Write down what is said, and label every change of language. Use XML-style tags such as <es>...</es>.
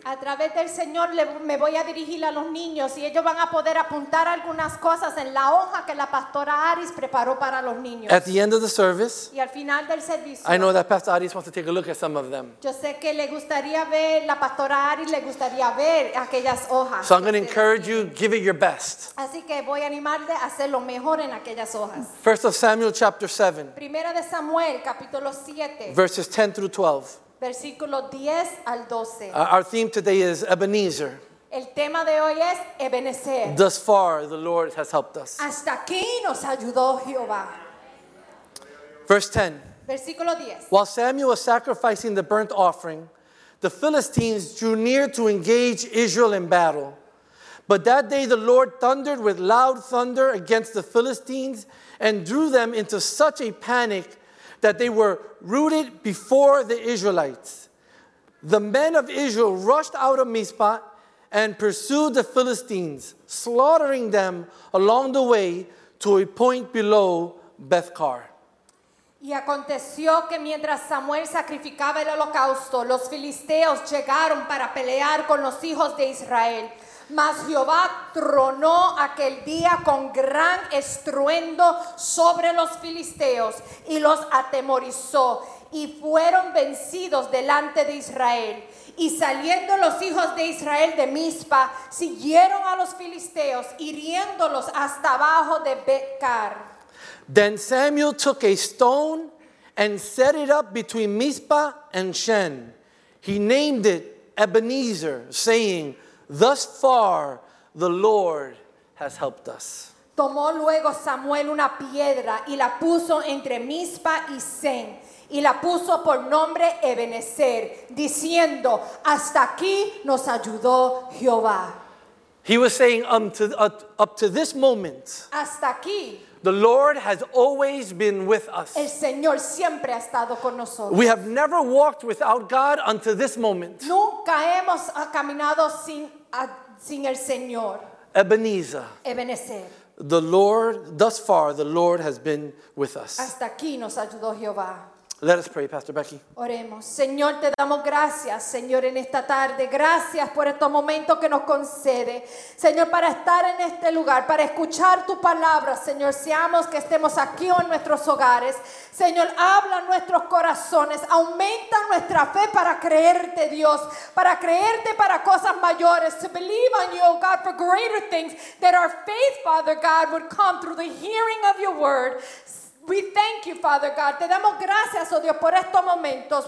<es>A través del Señor me voy a dirigir a los niños y ellos van a poder apuntar algunas cosas en la hoja que la Pastora Aris preparó para los niños.</es> <en>At the end of the service,</en> <es>y al final del servicio,</es> <en>I know that Pastor Aris wants to take a look at some of them.</en> <es>Yo sé que le gustaría ver, la Pastora Aris le gustaría ver aquellas hojas.</es> <en>So I'm going to encourage you, give it your best.</en> <es>Así que voy a animarte a hacer lo mejor en aquellas hojas.</es> <en>1 Samuel chapter 7.</en> <es>Primera de Samuel capítulo 7.</es> <en>Verses 10 through 12.</en> <es>Versículo 10 al 12.</es> <en>Our theme today is Ebenezer.</en> <es>El tema de hoy es Ebenezer.</es> <en>Thus far the Lord has helped us.</en> <es>Hasta aquí nos ayudó Jehová.</es> <en>Verse 10.</en> <es>Versículo 10.</es> <en>While Samuel was sacrificing the burnt offering, the Philistines drew near to engage Israel in battle. But that day the Lord thundered with loud thunder against the Philistines and drew them into such a panic that they were routed before the Israelites. The men of Israel rushed out of Mizpah and pursued the Philistines, slaughtering them along the way to a point below Bethcar.</en> <es>Y aconteció que mientras Samuel sacrificaba el holocausto, los filisteos llegaron para pelear con los hijos de Israel. Mas Jehová tronó aquel día con gran estruendo sobre los filisteos y los atemorizó y fueron vencidos delante de Israel. Y saliendo los hijos de Israel de Mizpa, siguieron a los filisteos, hiriéndolos hasta abajo de Betcar.</es> <en>Then Samuel took a stone and set it up between Mizpa and Shen. He named it Ebenezer, saying, "Thus far, the Lord has helped us."</en> <es>Tomó luego Samuel una piedra y la puso entre Mispa y Sen, y la puso por nombre Ebenezer, diciendo, hasta aquí nos ayudó Jehová.</es> <en>He was saying, up to this moment,</en> <es>hasta aquí,</es> <en>the Lord has always been with us.</en> <es>El Señor siempre ha estado con nosotros.</es> <en>We have never walked without God until this moment.</en> <es>Nunca hemos caminado sin el Señor. Ebenezer.</es> <en>The Lord, thus far, the Lord has been with us.</en> <es>Hasta aquí nos ayudó Jehová.</es> <en>Let us pray, Pastor Becky.</en> <es>Oremos. Señor, te damos gracias, Señor, en esta tarde. Gracias por estos momentos que nos concede. Señor, para estar en este lugar, para escuchar tu palabra, Señor, seamos que estemos aquí o en nuestros hogares. Señor, habla nuestros corazones. Aumenta nuestra fe para creerte, Dios, para creerte para cosas mayores.</es> <en>To believe on you, oh God, for greater things, that our faith, Father God, would come through the hearing of your word. We thank you, Father God.</en> <es>Te damos gracias, oh Dios, por estos momentos.</es>